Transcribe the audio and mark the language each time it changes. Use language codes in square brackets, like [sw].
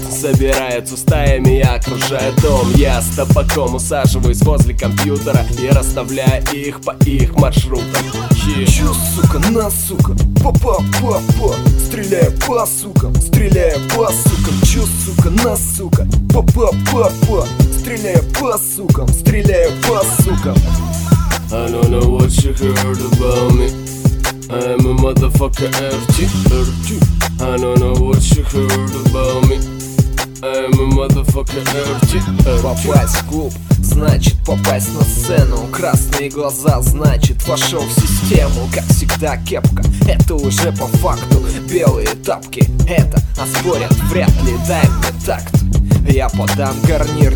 [ru] Собираются стаями и окружают дом. Я с табаком усаживаюсь возле компьютера и расставляю их по их маршрутам. Чё, сука, на, сука, па-па-па-па. Стреляю по сукам, стреляю по сукам. Чё, сука, на, сука, па-па-па-па. Стреляю по сукам, стреляю по сукам. [en] I don't know what you heard about me. I'm a motherfucker RT. I don't know what you heard about me. I'm a motherfucker RT. [ru] Попасть в клуб, значит попасть на сцену. Красные глаза, значит вошел в систему. Как всегда кепка, это уже по факту. Белые тапки, это оспорят вряд ли. Дай мне такт, я подам гарнир.